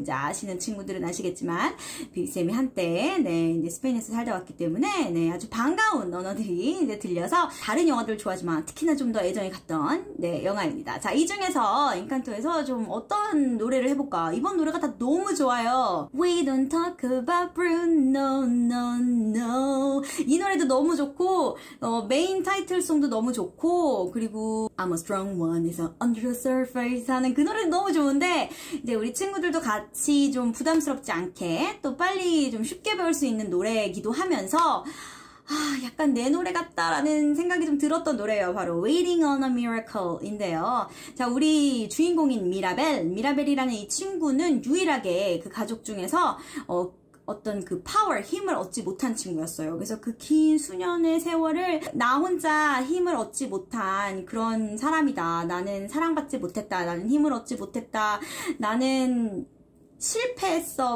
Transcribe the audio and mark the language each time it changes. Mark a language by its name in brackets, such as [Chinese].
[Korean] 이제 아시는 친구들은 아시겠지만 비비쌤이 한때 네 이제 스페인에서 살다 왔기 때문에 네 아주 반가운 언어들이 이제 들려서, 다른 영화들 좋아하지만 특히나 좀 더 애정이 갔던 네 영화입니다. 자, 이 중에서 엔칸토에서 좀 어떤 노래를 해볼까. 이번 노래가 다 너무 좋아요. [English] We don't talk about Bruno, no, no. [Korean] 이 노래도 너무 좋고, 메인 타이틀 송도 너무 좋고, 그리고 I'm a strong one에서 Under the surface 하는 그 노래도 너무 좋은데, 이제 우리 친구들도 같이 좀 부담스럽지 않게 또 빨리 좀 쉽게 배울 수 있는 노래이기도 하면서, 약간 내 노래 같다라는 생각이 좀 들었던 노래예요. 바로 Waiting on a Miracle 인데요. 자, 우리 주인공인 미라벨. 미라벨이라는 이 친구는 유일하게 그 가족 중에서 어떤 그 파워, 힘을 얻지 못한 친구였어요. 그래서 그 긴 수년의 세월을 나 혼자 힘을 얻지 못한 그런 사람이다. 나는 사랑받지 못했다. 나는 힘을 얻지 못했다. 나는 실패했어.